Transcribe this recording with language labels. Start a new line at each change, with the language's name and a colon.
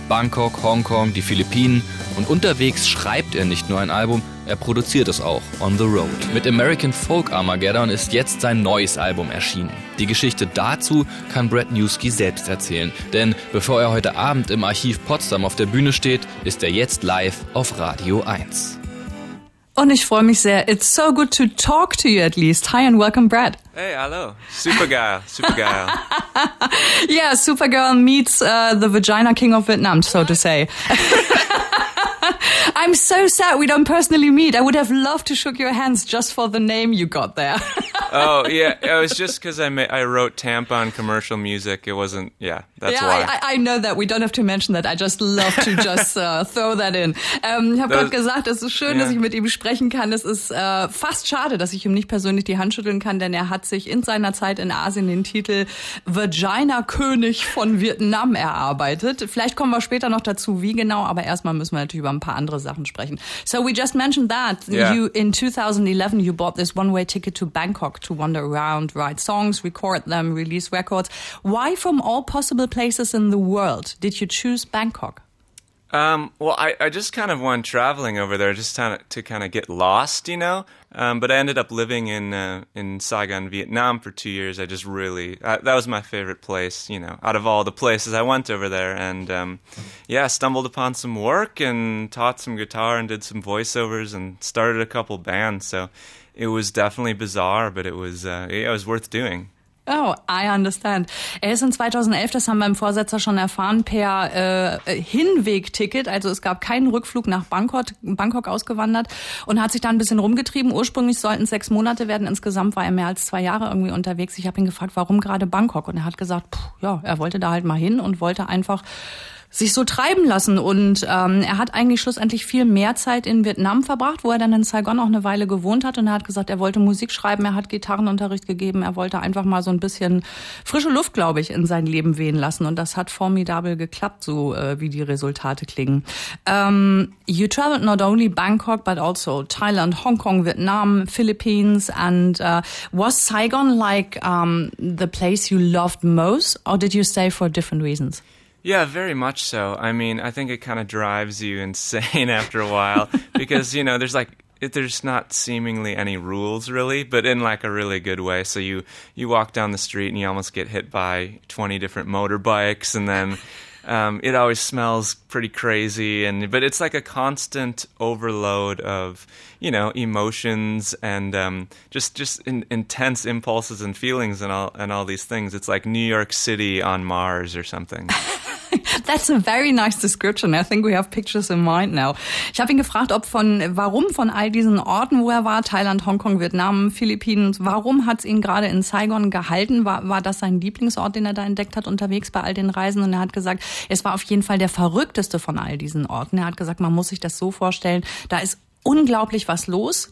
German: Bangkok, Hongkong, die Philippinen. Und unterwegs schreibt er nicht nur ein Album, er produziert es auch, On the Road. Mit American Folk Armageddon ist jetzt sein neues Album erschienen. Die Geschichte dazu kann Brad Newsky selbst erzählen. Denn bevor er heute Abend im Archiv Potsdam auf der Bühne steht, ist er jetzt live auf Radio 1. Und ich freue mich sehr.
English: It's so good to talk to you at least. Hi and welcome, Brad. Hey, hello. Supergirl. Yeah, Supergirl meets the vagina king of Vietnam, so to say. I'm so sad we don't personally meet. I would have loved to shook your hands just for the name you got there. Oh, yeah. It was just because I wrote tampon commercial music. It wasn't, yeah, that's yeah, why. Yeah, I know that. We don't have to mention that. I just love to just throw that in.
German: Ich habe gerade gesagt, es ist schön, yeah, dass ich mit ihm sprechen kann. Es ist fast schade, dass ich ihm nicht persönlich die Hand schütteln kann, denn er hat sich in seiner Zeit in Asien den Titel Vagina-König von Vietnam erarbeitet. Vielleicht kommen wir später noch dazu, wie genau, aber erstmal müssen wir natürlich über ein paar andere Sachen sprechen.
English: So we just mentioned that, yeah, you in 2011 you bought this one-way ticket to Bangkok to wander around, write songs, record them, release records. Why from all possible places in the world did you choose Bangkok? Well I just kind of went traveling over there just to kind of get lost, you know. But I ended up living in Saigon, Vietnam for 2 years. I just really, that was my favorite place, you know, out of all the places I went over there. And yeah, stumbled upon some work and taught some guitar and did some voiceovers and started a couple bands. So it was definitely bizarre, but it was worth doing. Oh, I understand.
German: Er ist in 2011, das haben wir im Vorsetzer schon erfahren, per Hinweg-Ticket, also es gab keinen Rückflug nach Bangkok ausgewandert und hat sich da ein bisschen rumgetrieben. Ursprünglich sollten 6 Monate werden, insgesamt war er mehr als 2 Jahre irgendwie unterwegs. Ich habe ihn gefragt, warum gerade Bangkok? Und er hat gesagt, er wollte da halt mal hin und wollte einfach sich so treiben lassen. Und er hat eigentlich schlussendlich viel mehr Zeit in Vietnam verbracht, wo er dann in Saigon auch eine Weile gewohnt hat. Und er hat gesagt, er wollte Musik schreiben, er hat Gitarrenunterricht gegeben, er wollte einfach mal so ein bisschen frische Luft, glaube ich, in sein Leben wehen lassen. Und das hat formidabel geklappt, so wie die Resultate klingen.
English: You traveled not only Bangkok, but also Thailand, Hong Kong, Vietnam, Philippines. And was Saigon like the place you loved most, or did you stay for different reasons? Yeah, very much so. I mean, I think it kind of drives you insane after a while because, you know, there's not seemingly any rules really, but in like a really good way. So you walk down the street and you almost get hit by 20 different motorbikes, and then it always smells pretty crazy. But it's like a constant overload of, you know, emotions and just intense impulses and feelings and all these things. It's like New York City on Mars or something. That's a very nice description. I think we have pictures in mind now.
German: Ich habe ihn gefragt, warum von all diesen Orten, wo er war, Thailand, Hongkong, Vietnam, Philippinen, warum hat es ihn gerade in Saigon gehalten? War das sein Lieblingsort, den er da entdeckt hat unterwegs bei all den Reisen? Und er hat gesagt, es war auf jeden Fall der verrückteste von all diesen Orten. Er hat gesagt, man muss sich das so vorstellen, da ist unglaublich was los.